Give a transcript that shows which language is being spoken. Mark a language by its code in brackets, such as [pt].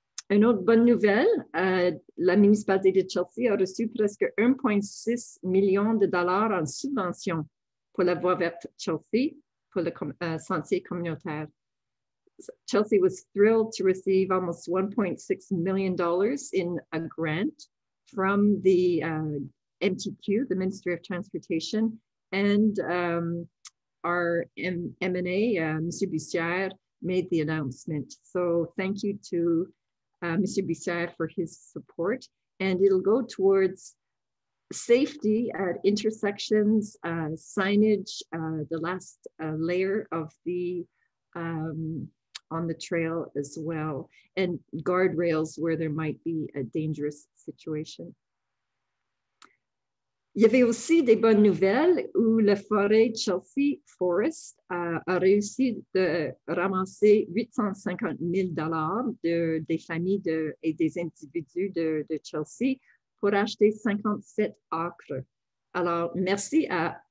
[fr] Une autre bonne nouvelle, la municipalité de Chelsea a reçu presque 1,6 million de dollars en subvention pour la voie verte Chelsea, pour le sentier communautaire. [en] Chelsea was thrilled to receive almost $1.6 million in a grant from the MTQ, the Ministry of Transportation, and our M&A, Mr. Bussière, made the announcement. So thank you to Mr. Bussière for his support. And it'll go towards safety at intersections, signage, the last layer of the... on the trail as well, and guardrails where there might be a dangerous situation. [fr] Il y avait aussi des bonnes nouvelles où la forêt Chelsea Forest a réussi de ramasser 850 000 dollars des familles et des individus de Chelsea pour acheter 57 acres. Alors, merci à